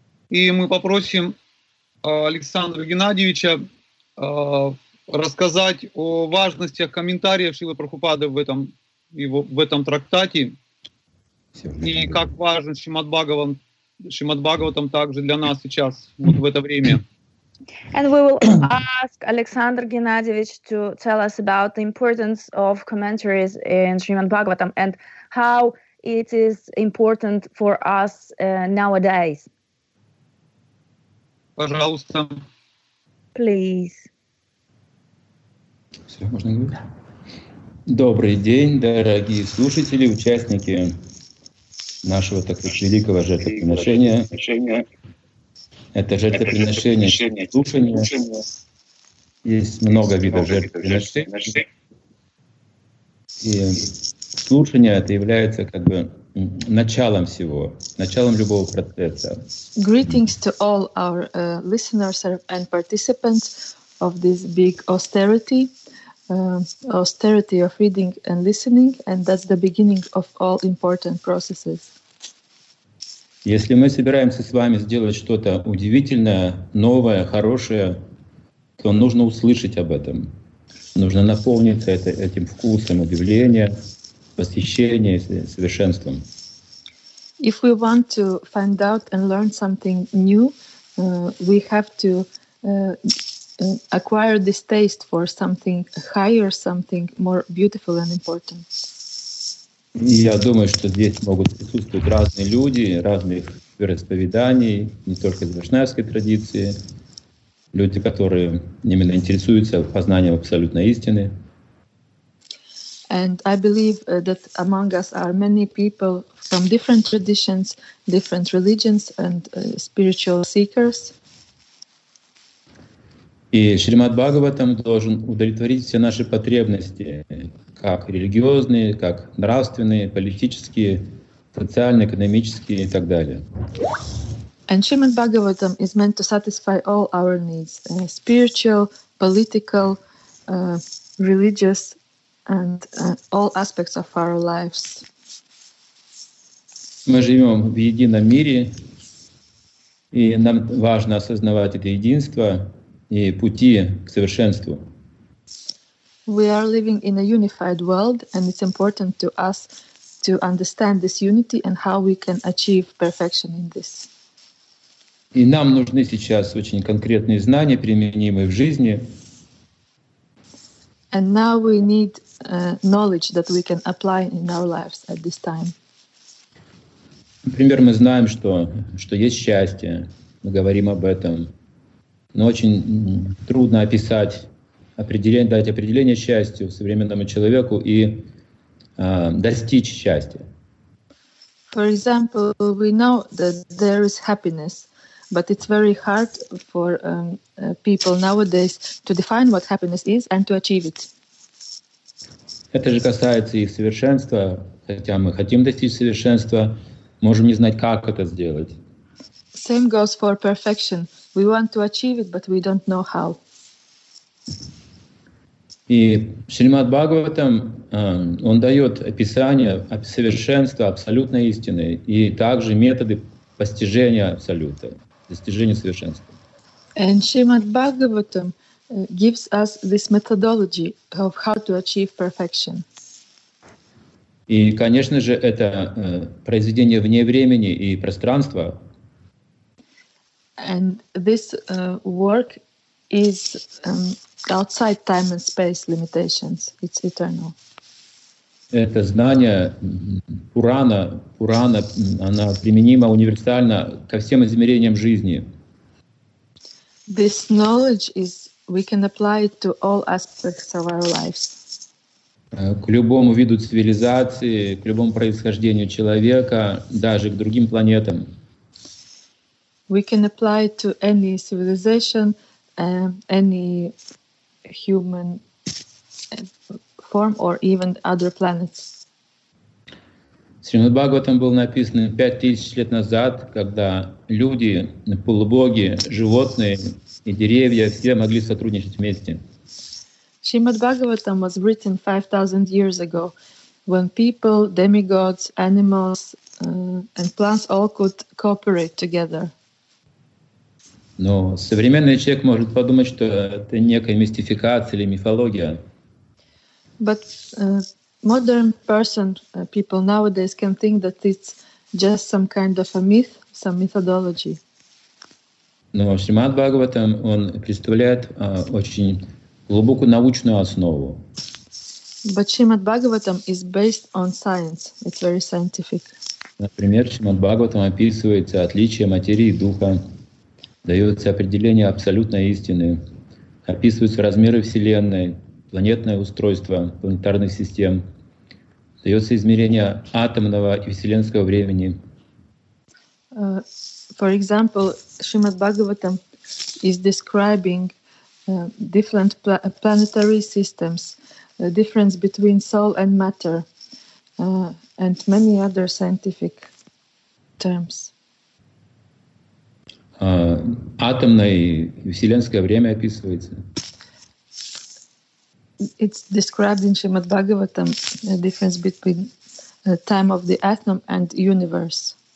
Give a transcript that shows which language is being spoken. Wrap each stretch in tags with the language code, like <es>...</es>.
<ru>И мы попросим Александра Геннадьевича рассказать о важностях комментариев Шрилы Прабхупады в этом трактате и как важен Шримад-Бхагаватам также для нас сейчас, вот в это время.</ru> <en>And we will ask Alexander Gennadievich to tell us about the importance of commentaries in Srimad Bhagavatam and how it is important for us nowadays.</en> <ru>Пожалуйста.</ru> <en>Please.</en> <ru>Все, можно говорить. Добрый день, дорогие слушатели, участники нашего так великого жертвоприношения. Это жертвоприношение слушания. Есть много видов жертвоприношений. И слушание это является как бы началом всего, началом любого процесса.</ru> <en>Greetings to all our listeners and participants of this big austerity, austerity of reading and listening, and that's the beginning of all important processes.</en> <ru>Если мы собираемся с вами сделать что-то удивительное, новое, хорошее, то нужно услышать об этом. Нужно наполниться этим вкусом удивления, восхищения, совершенством.</ru> <en>If we want to find out and learn something new, we have to acquire this taste for something higher, something more beautiful and important.</en> <ru>И я думаю, что здесь могут присутствовать разные люди, разных вероисповеданий, не только из вайшнавской традиции, люди, которые именно интересуются познанием абсолютной истины.</ru> <en>And I believe that among us are many people from different traditions, different religions, and spiritual seekers.</en> <ru>И Шримад Бхагаватам должен удовлетворить все наши потребности, как религиозные, как нравственные, политические, социальные, экономические и так далее.</ru> <en>And Shrimad Bhagavatam is meant to satisfy all our needs, spiritual, political, religious, and all aspects of our lives.</en> <ru>Мы живем в едином мире, и нам важно осознавать это единство и пути к совершенству.</ru> <en>We are living in a unified world, and it's important to us to understand this unity and how we can achieve perfection in this.</en> <ru>И нам нужны сейчас очень конкретные знания, применимые в жизни.</ru> <en>And now we need knowledge that we can apply in our lives at this time.</en> <ru>Например, мы знаем, что есть счастье. Мы говорим об этом. Но очень трудно описать, дать определение счастью современному человеку и достичь счастья.</ru> <en>For example, we know that there is happiness. But it's very hard for people nowadays to define what happiness is and to achieve it.</en> <ru>Это же касается и совершенства, хотя мы хотим достичь совершенства, можем не знать, как это сделать.</ru> <en>Same goes for perfection. We want to achieve it, but we don't know how.</en> <ru>И Шримад Бхагаватам, он дает описание совершенства абсолютной истины и также методы постижения абсолюта. Достижение совершенства.</ru> <en>And Shrimad Bhagavatam gives us this methodology of how to achieve perfection. И, конечно же, это произведение вне времени и пространства. And this work is outside time and space limitations. It's eternal.</en> <ru>Это знание Пурана, она применима универсально ко всем измерениям жизни.</ru> <en>This knowledge is, we can apply it to all aspects of our lives.</en> <ru>К любому виду цивилизации, к любому происхождению человека, даже к другим планетам.</ru> <en>We can apply it to any civilization, any human form or even other planets.</en> <ru>Шримад Бхагаватам был написан 5000 лет назад, когда люди, полубоги, животные и деревья все могли сотрудничать вместе.</ru> <en>Шримад Бхагаватам was written 5000 years ago, when people, demigods, animals, and plants all could cooperate together.</en> <ru>Но современный человек может подумать, что это некая мистификация или мифология.</ru> <en>But modern person, people nowadays can think that it's just some kind of a myth, some methodology.</en> <ru>Но Шримад Бхагаватам, он представляет очень глубокую научную основу.</ru> <en>But Srimad Bhagavatam is based on science. It's very scientific.</en> <ru>Например, Шримад Бхагаватам описывается отличие материи и духа, дается определение абсолютной истины, описываются размеры Вселенной, планетное устройство планетарных систем, дается измерение атомного и вселенского времени.</ru> <en>For example, Шримад Бхагаватам is describing different planetary systems, the difference between soul and matter, and many other scientific terms.</en> <ru>Атомное и вселенское время описывается.</ru> <en>It's described in Srimad Bhagavatam, the difference between time of the atom and universe.</en>